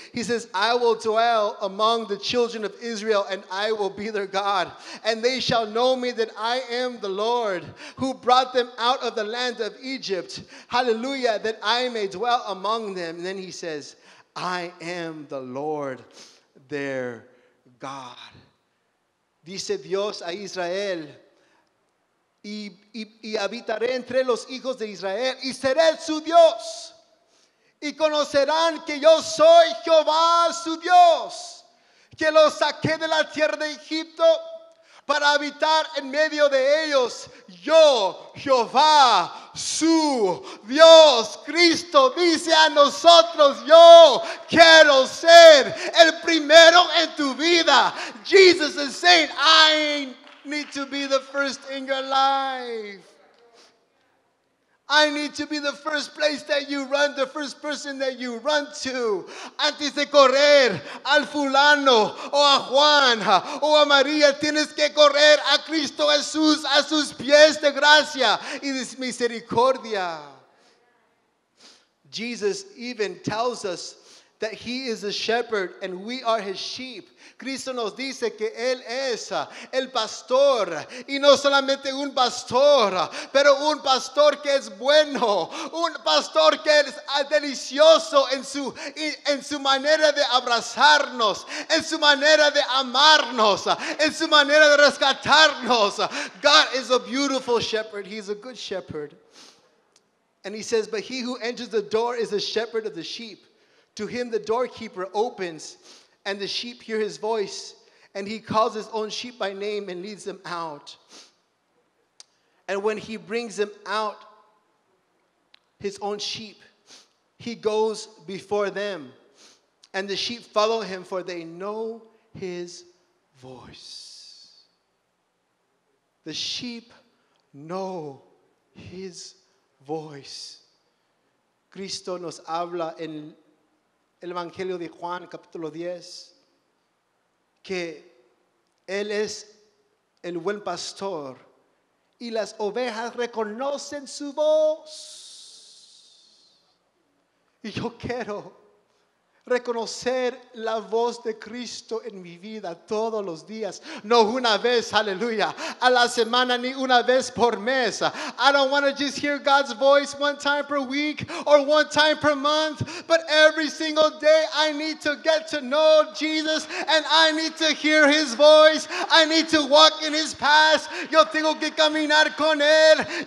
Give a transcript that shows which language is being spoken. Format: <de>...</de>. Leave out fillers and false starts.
<en>He says, I will dwell among the children of Israel and I will be their God. And they shall know me that I am the Lord who brought them out of the land of Egypt. Hallelujah, that I may dwell among them. And then He says, I am the Lord their God.</en> <es>Dice Dios a Israel, Y habitaré entre los hijos de Israel y seré su Dios. Y conocerán que yo soy Jehová su Dios, que los saqué de la tierra de Egipto para habitar en medio de ellos. Yo, Jehová su Dios. Cristo dice a nosotros, yo quiero ser el primero en tu vida.</es> <en>Jesus is saying, I need to be the first in your life. I need to be the first place that you run, the first person that you run to.</en> <es>Antes de correr al fulano o a Juan o a María, tienes que correr a Cristo Jesús, a sus pies de gracia y de misericordia.</es> <en>Jesus even tells us that He is a shepherd and we are His sheep.</en> <es>Cristo nos dice que Él es el pastor, y no solamente un pastor, pero un pastor que es bueno, un pastor que es delicioso en su manera de abrazarnos, en su manera de amarnos, en su manera de rescatarnos.</es> <en>God is a beautiful shepherd. He's a good shepherd. And He says, but he who enters the door is the shepherd of the sheep. To him the doorkeeper opens, and the sheep hear His voice, and He calls His own sheep by name and leads them out. And when He brings them out, His own sheep, He goes before them, and the sheep follow Him, for they know His voice. The sheep know His voice.</en> <es>Cristo nos habla en el Evangelio de Juan, capítulo 10, que Él es el buen pastor y las ovejas reconocen su voz. Y yo quiero reconocer la voz de Cristo en mi vida todos los días. No una vez, aleluya, a la semana, ni una vez por mes.</es> <en>I don't want to just hear God's voice one time per week or one time per month, but every single day I need to get to know Jesus and I need to hear His voice. I need to walk in His path.</en> <es>Yo tengo que caminar con Él.</es>